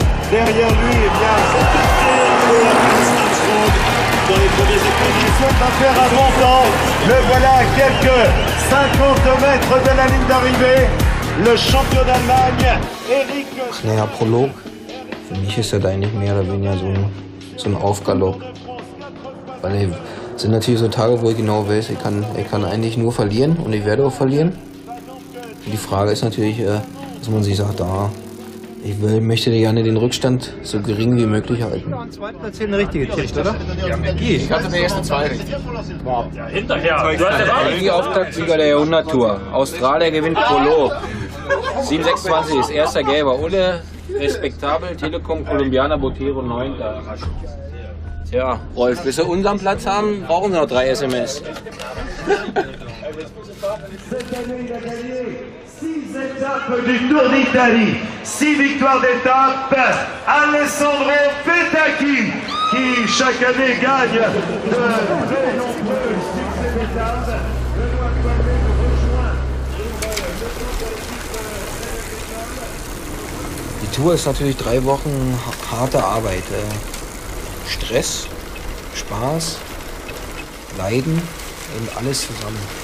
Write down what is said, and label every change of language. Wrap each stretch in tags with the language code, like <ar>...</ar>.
<fr>Derrière lui, eh bien, c'est dans les premiers expositions, va faire un bon temps. Le voilà à quelques 50 mètres de la ligne d'arrivée. Le champion d'Allemagne, Eric.</fr> <de>Naja, Prolog, für mich ist das eigentlich mehr oder weniger so ein Aufgalopp. Weil es sind natürlich so Tage, wo ich genau weiß, ich kann eigentlich nur verlieren und ich werde auch verlieren. Die Frage ist natürlich, dass man sich sagt, ich möchte gerne den Rückstand so gering wie möglich halten. Ich hatte die ersten zwei richtig. Ja, hinterher. Die Auftaktsieger der Jahrhunderttour. Australier gewinnt Prolog. 7:26 ist erster Gelber. Ulle, respektabel. Telekom, Colombiana, Botero, 9. Tja, Rolf, bis wir unseren Platz haben, brauchen wir noch 3 SMS.</de> <fr>Du Tour d'Italie, 6 victoires d'étape, Alessandro Petacchi, qui chaque année gagne de très nombreux succès d'étape.</fr> <de>Die Tour ist natürlich 3 Wochen harte Arbeit. Stress, Spaß, Leiden und alles zusammen.</de>